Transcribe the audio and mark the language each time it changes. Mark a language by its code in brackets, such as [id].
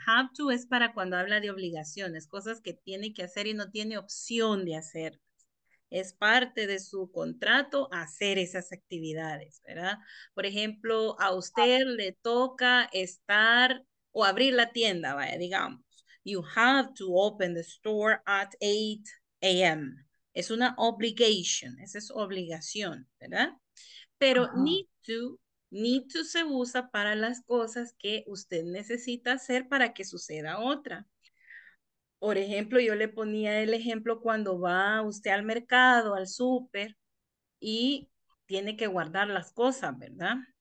[es] Have to es para cuando habla de obligaciones, cosas que tiene que hacer y no tiene opción de hacer. Es parte de su contrato hacer esas actividades, ¿verdad? Por ejemplo, a usted le toca estar o abrir la tienda, vaya, digamos. [en] You have to open the store at 8 a.m. [es] Es una obligation, esa es obligación, ¿verdad? Pero need to se usa para las cosas que usted necesita hacer para que suceda otra. Por ejemplo, yo le ponía el ejemplo cuando va usted al mercado, al súper, y tiene que guardar las cosas, ¿verdad?